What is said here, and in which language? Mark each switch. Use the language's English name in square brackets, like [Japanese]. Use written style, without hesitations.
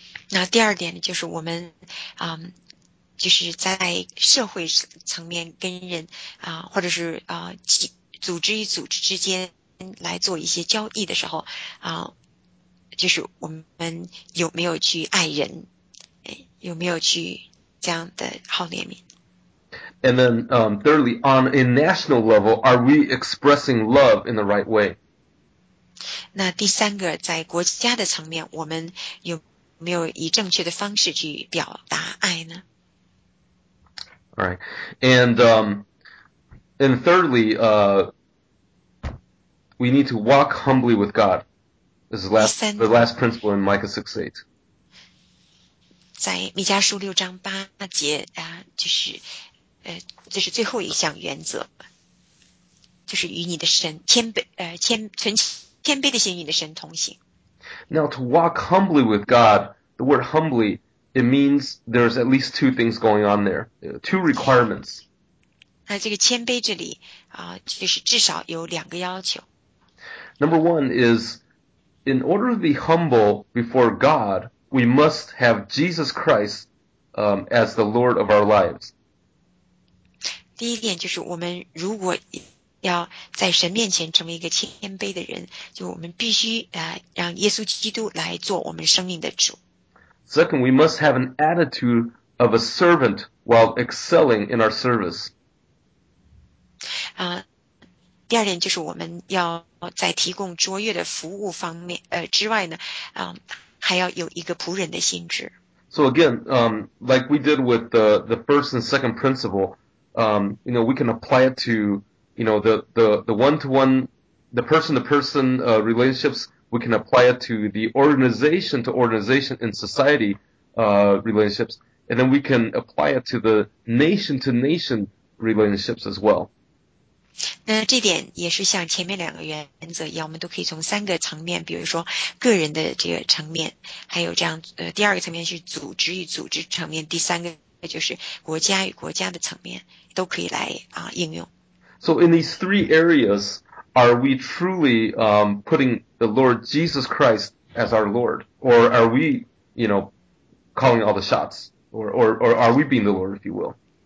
[Chinese] 那第二点就是我们就是在社会层面跟人或者是组织与组织之间来做一些交易的时候就是我们有没有去爱人，有没有去这样的好怜悯。 [English] And then thirdly, on a national level, are we expressing love in the right way? [Chinese] 那第三个，在国家的层面，我们有没有以正确的方式去表达爱呢？ [English] All right. And thirdly, we need to walk humbly with God. This is the last principle in Micah 6:8. [Chinese] 在弥迦书六章八节就是最后一项原则，就是与你的神谦卑谦存谦卑的心与你的神同行。 [English] Now to walk humbly with God, the word humbly, it means there's at least two things going on there, two requirements. [Chinese] 那这个谦卑这里啊，就是至少有两个要求。 [English] Number one is, in order to be humble before God, we must have Jesus Christ, as the Lord of our lives. [Chinese] 第一点就是我们如果要在神面前成为一个谦卑的人，就我们必须让耶稣基督来做我们生命的主。 [English] Second, we must have an attitude of a servant while excelling in our service. [Chinese] 第二点就是我们要在提供卓越的服务方面之外呢，还要有一个仆人的心智。 [English] So again, like we did with the first and second principle, you know, we can apply it to, you know, the one-to-one, the person-to-person relationships. We can apply it to the organization-to-organization in society relationships, and then we can apply it to the nation-to-nation relationships as well. [Chinese] 那这点也是像前面两个原则一样，我们都可以从三个层面，比如说个人的这个层面，还有这样第二个层面是组织与组织层面，第三个就是国家与国家的层面，都可以来应用。 [English] So in these three areas, are we truly putting the Lord Jesus Christ as our Lord? Or are we, you know, calling all the shots? Or are we being the Lord, if you will?